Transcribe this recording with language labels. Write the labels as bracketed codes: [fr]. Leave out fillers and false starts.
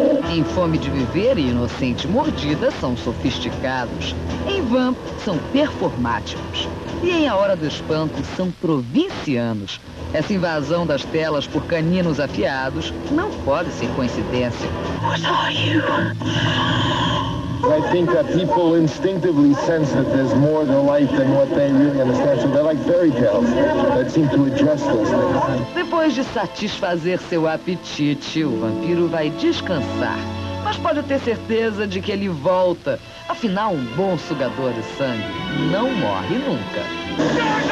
[pt] Em Fome de Viver e Inocente Mordida, são sofisticados. Em Vamp, são performáticos. E em A Hora do Espanto, são provincianos. Essa invasão das telas por caninos afiados não pode ser coincidência. [en] What are you? I think that people instinctively sense that there's more to life than what they really understand. So they're like fairy tales that seem to address those things. [pt] Depois de satisfazer seu apetite, o vampiro vai descansar. Mas pode ter certeza de que ele volta. Afinal, um bom sugador de sangue não morre nunca.